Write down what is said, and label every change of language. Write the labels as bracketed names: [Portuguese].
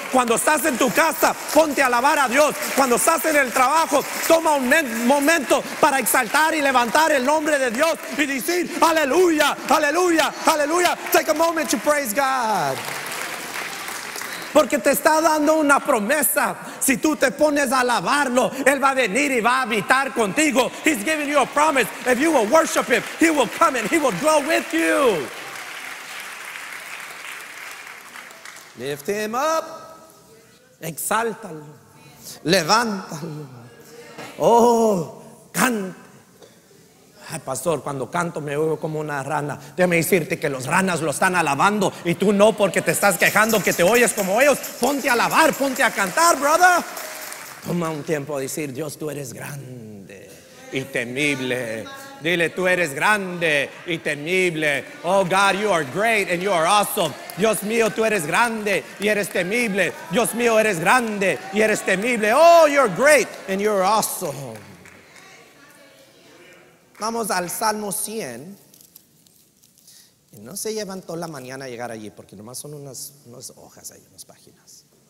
[Spanish] Cuando estás en tu casa, ponte a alabar a Dios. Cuando estás en el trabajo, toma un momento para exaltar y levantar el nombre de Dios y decir, aleluya, aleluya, aleluya. [English] Take a moment to praise God. [Spanish] Porque te está dando una promesa. Si tú te pones a alabarlo, Él va a venir y va a habitar contigo. [English] He's giving you a promise. If you will worship Him, He will come and He will dwell with you. Lift Him up. [Spanish] Exáltalo. Levántalo. Oh, canta. Ay, pastor, cuando canto me oigo como una rana. Déjame decirte que los ranas lo están alabando y tú no, porque te estás quejando que te oyes como ellos. Ponte a alabar, ponte a cantar, brother. Toma un tiempo a decir, Dios, tú eres grande y temible. Dile, tú eres grande y temible. [English] Oh God, you are great and you are awesome. [Spanish] Dios mío, tú eres grande y eres temible. Dios mío, eres grande y eres temible. [English] Oh, you're great and you're awesome. [Spanish] Vamos al Salmo 100. Y no se llevan toda la mañana a llegar allí, porque nomás son unas hojas ahí, unas páginas.